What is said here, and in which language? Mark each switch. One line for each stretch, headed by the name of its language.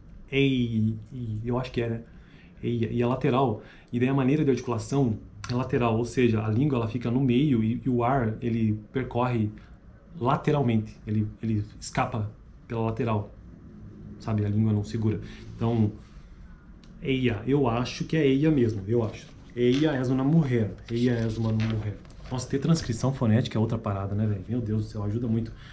Portuguese: Ei, eu acho que é, né? E a lateral, e daí a maneira de articulação é lateral, ou seja, a língua ela fica no meio e o ar ele percorre lateralmente, ele escapa pela lateral, sabe? A língua não segura. Então, eia, eu acho que é eia mesmo, eu acho.
Spanish: Eia es una mujer, eia es una mujer.
Portuguese: Nossa, ter transcrição fonética é outra parada, né, velho? Meu Deus do céu, ajuda muito.